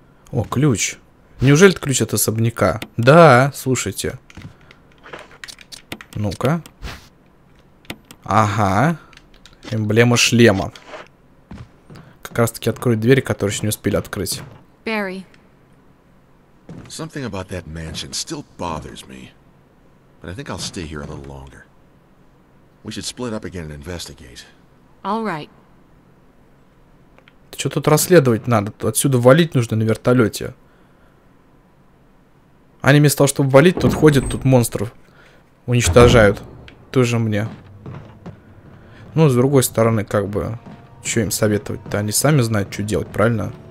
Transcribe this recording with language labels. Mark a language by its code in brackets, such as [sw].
[ru] О, ключ. Неужели это ключ от особняка? Да, слушайте. Ну-ка. Ага. Эмблема шлема. Как раз-таки открою двери, которые еще не успели открыть. Барри. [en] Something about that mansion still bothers me. But I think I'll stay here a little longer. We should split up again and investigate. All right. [ru] Ты что тут расследовать надо? Отсюда валить нужно на вертолете. Они вместо того, чтобы валить, тут ходят, тут монстров уничтожают. Тоже мне. Ну, с другой стороны, как бы, что им советовать-то? Они сами знают, что делать, правильно?